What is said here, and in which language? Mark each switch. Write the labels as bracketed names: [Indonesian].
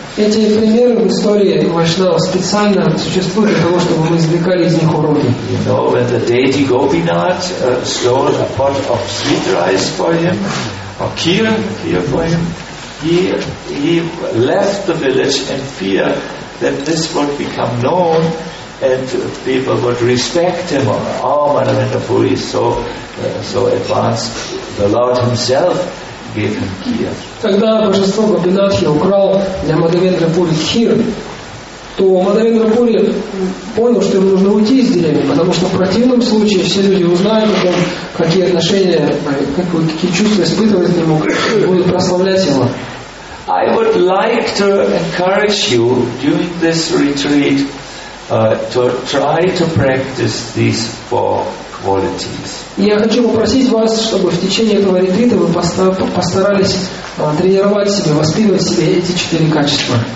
[Russian] Эти примеры в истории Вайшнава специально существуют для того, чтобы мы извлекали из них уроки. [English] You know, when the deity Gopinath stole a pot of sweet rice for him, or kheer for him, he left the village in fear that this would become known and people would respect him. Oh, Madhavendra Puri is so advanced. The Lord himself gave him kheer. [Russian] Когда божество Гопинатхи украл для Мадхавендра Пури хир, то Мадхавендра Пури понял, что ему нужно уйти из деревни, потому что в противном случае все люди узнают о том, какие отношения, какие чувства испытывают к нему, и будут прославлять его. [English] I would like to encourage you during this retreat to try to practice these four qualities. [Russian] Я хочу попросить вас, чтобы в течение этого ретрита вы постарались тренировать себя, воспитывать себе эти четыре качества.